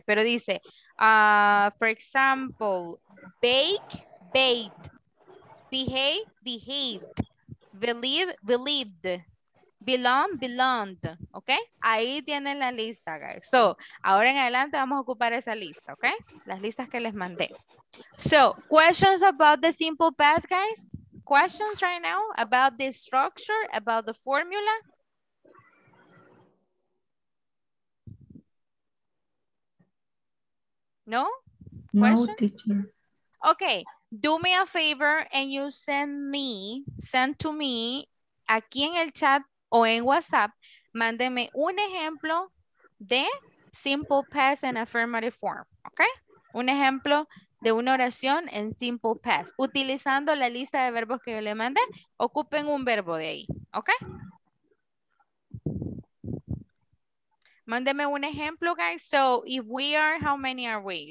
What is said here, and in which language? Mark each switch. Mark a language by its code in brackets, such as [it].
[es] Pero dice, [en] for example, bake, bait, behave, behaved, believe, believed, belong, belonged, ok? [es] Ahí tienen la lista, guys. So, ahora en adelante vamos a ocupar esa lista, ok? Las listas que les mandé. [en] So, questions about the simple past, guys? Questions right now about the structure, about the formula? No? Question? No, teacher. Ok. Do me a favor and you send to me [es] aquí en el chat o en WhatsApp, mándeme un ejemplo de [en] simple past and affirmative form, ¿ok? [es] Un ejemplo de una oración en simple past. Utilizando la lista de verbos que yo le mandé, ocupen un verbo de ahí, ¿ok? Mándeme un ejemplo, guys. [en] So, if we are, how many are we?